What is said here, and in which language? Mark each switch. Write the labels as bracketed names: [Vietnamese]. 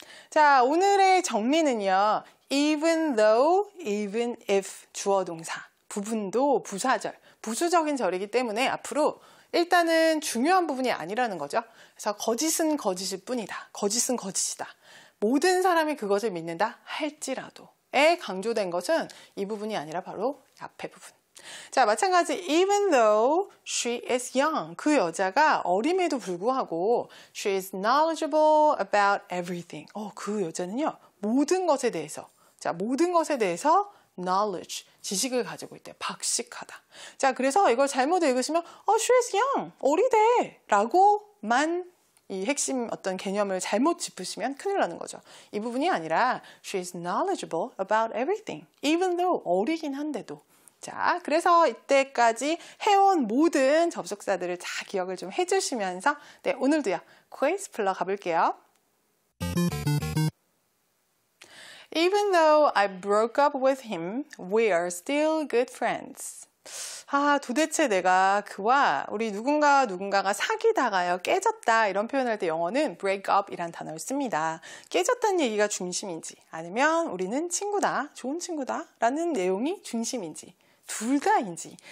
[Korean] 자, 오늘의 정리는요. Even though, even if 주어 동사, 부분도 부사절, 부수적인 절이기 때문에 앞으로 일단은 중요한 부분이 아니라는 거죠. 그래서 거짓은 거짓일 뿐이다. 거짓은 거짓이다. 모든 사람이 그것을 믿는다 할지라도에 강조된 것은 이 부분이 아니라 바로 앞에 부분. 자, 마찬가지 [English] even though she is young, [Korean] 그 여자가 어림에도 불구하고 [English] she is knowledgeable about everything. [Korean] 그 여자는요. 모든 것에 대해서. 자, 모든 것에 대해서 knowledge, 지식을 가지고 있대. 박식하다. 자, 그래서 이걸 잘못 읽으시면 [English] she is young, [Korean] 어리대 라고만 이 핵심 어떤 개념을 잘못 짚으시면 큰일 나는 거죠. 이 부분이 아니라 [English] she is knowledgeable about everything. [Korean] even though 어리긴 한데도. 자, 그래서 이때까지 해온 모든 접속사들을 다 기억을 좀 해주시면서 네, 오늘도요. 퀴즈 풀러 가볼게요. [English] Even though I broke up with him, we are still good friends. [Korean] 아, 도대체 내가 그와 우리 누군가가 사귀다가요. 깨졌다 이런 표현할 때 영어는 break up이란 단어를 씁니다. 깨졌다는 얘기가 중심인지 아니면 우리는 친구다, 좋은 친구다라는 내용이 중심인지 둘 다인지.